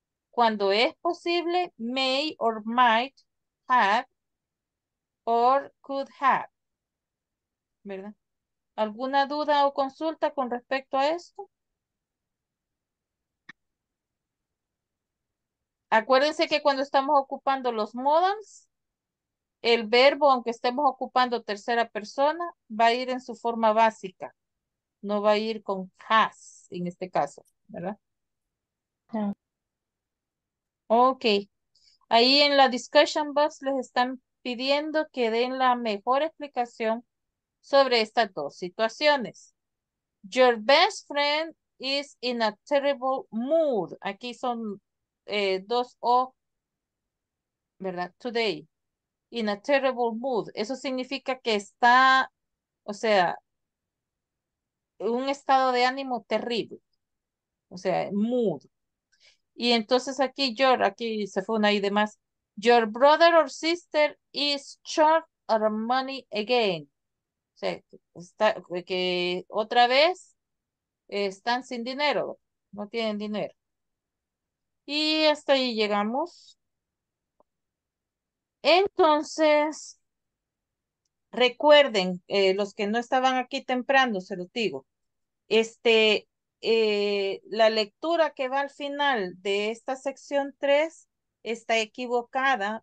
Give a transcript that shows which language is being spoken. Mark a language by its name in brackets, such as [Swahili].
[Spanish] Cuando es posible, [English] may or might have or could have. [Spanish] ¿Verdad? ¿Alguna duda o consulta con respecto a esto? Acuérdense que cuando estamos ocupando los modals, el verbo, aunque estemos ocupando tercera persona, va a ir en su forma básica. No va a ir con has en este caso, ¿verdad? [English] Yeah. Ok. [Spanish] Ahí en la discussion box les están pidiendo que den la mejor explicación sobre estas dos situaciones. [English] Your best friend is in a terrible mood. [Spanish] Aquí son dos O, ¿verdad? Today. [English] In a terrible mood. [Spanish] Eso significa que está, o sea, un estado de ánimo terrible. O sea, mood. Y entonces aquí, your, aquí se fue una y demás. [English] Your brother or sister is short on money again. [Spanish] O sea, está, que otra vez están sin dinero. No tienen dinero. Y hasta ahí llegamos. Entonces, recuerden, los que no estaban aquí temprano, se los digo, la lectura que va al final de esta sección 3 está equivocada.